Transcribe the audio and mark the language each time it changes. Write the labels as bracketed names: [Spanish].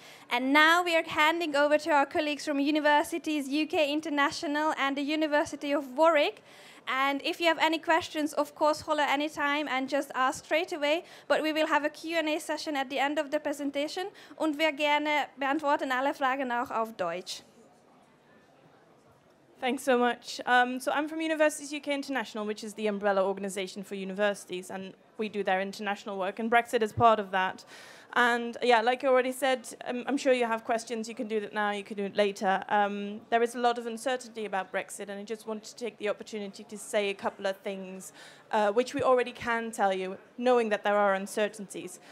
[English] And now we are handing over to our colleagues from Universities UK International and the University of Warwick. And if you have any questions, of course, holler anytime and just ask straight away. But we will have a Q&A session at the end of the presentation. [German] Und wir gerne beantworten alle Fragen auch auf Deutsch. [English] Thanks so much. So I'm from Universities UK International, which is the umbrella organization for universities. And we do their international work. And Brexit is part of that. And yeah, like I already said, I'm sure you have questions. You can do that now, you can do it later. There is a lot of uncertainty about Brexit, and I just wanted to take the opportunity to say a couple of things, which we already can tell you, knowing that there are uncertainties.